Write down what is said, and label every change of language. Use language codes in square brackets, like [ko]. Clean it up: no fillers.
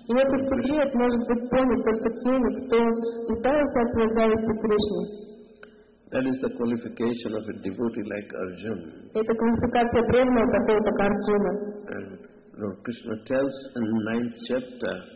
[ru] И этот секрет может быть понят только теми, кто пытается отвязаться от Кришны. [en] That is the qualification of a devotee like Arjuna. [ru] Это квалификация преданного такого как Арджуна. [en] And Lord Krishna tells in the 9th chapter.